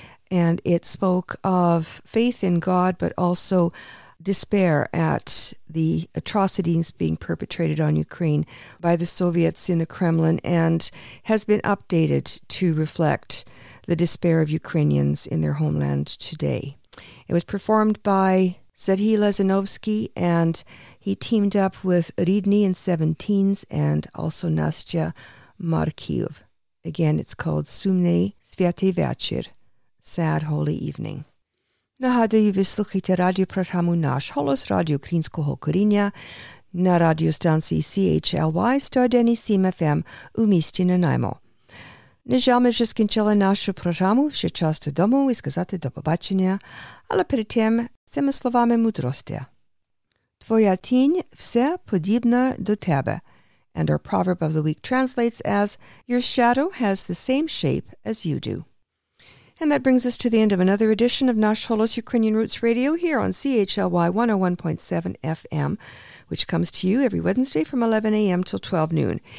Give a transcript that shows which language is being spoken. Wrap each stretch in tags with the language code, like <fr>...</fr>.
<en>And it spoke of faith in God, but also despair at the atrocities being perpetrated on Ukraine by the Soviets in the Kremlin, and has been updated to reflect the despair of Ukrainians in their homeland today. It was performed by Zedhi Lezanovsky, and he teamed up with Ridni and Seventeens and also Nastya Markiev. Again, it's called Sumne Sviaty Vachir, Sad Holy Evening.</en> <uk>Нагадую, ви слухаєте радіопрограму «Наш голос» Радіо Українського коріння на радіостанції CHLY 107 FM у місті Нанаймо. На жаль, ми вже скінчили нашу програму, вже час додому і сказати до побачення, але перед тим цими словами мудрості. Твоя тінь все подібна до тебе.</uk> <en>And our proverb of the week translates as, your shadow has the same shape as you do. And that brings us to the end of another edition of Nash Holos Ukrainian Roots Radio here on CHLY 101.7 FM, which comes to you every Wednesday from 11 a.m. till 12 noon.</en>